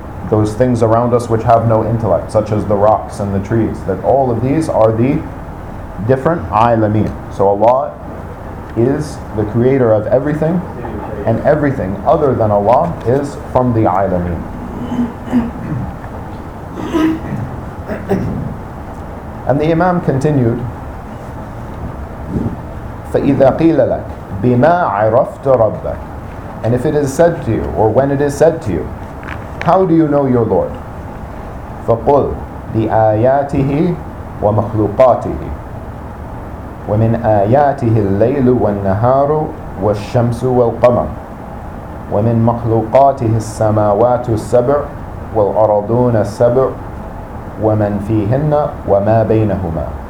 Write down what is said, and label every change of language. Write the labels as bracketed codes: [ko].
[en] those things around us which have no intellect, such as the rocks and the trees, that all of these are the different alameen. So Allah is the creator of everything, and everything other than Allah is from the alameen. And the Imam continued, [ar] فَإِذَا قِيلَ لَكَ بِمَا عَرَفْتَ رَبَّكَ. [en] And if it is said to you, or when it is said to you, how do you know your Lord? [ar] فَقُلْ بِآيَاتِهِ وَمَخْلُوقَاتِهِ وَمِنْ آيَاتِهِ اللَّيْلُ وَالنَّهَارُ وَالشَّمْسُ وَالْقَمَرُ وَمِنْ مَخْلُوقَاتِهِ السَّمَاوَاتُ السَّبْعُ وَالْأَرْضُونَ السَّبْعُ وَمَنْ فِيهِنَّ وَمَا بَيْنَهُمَا.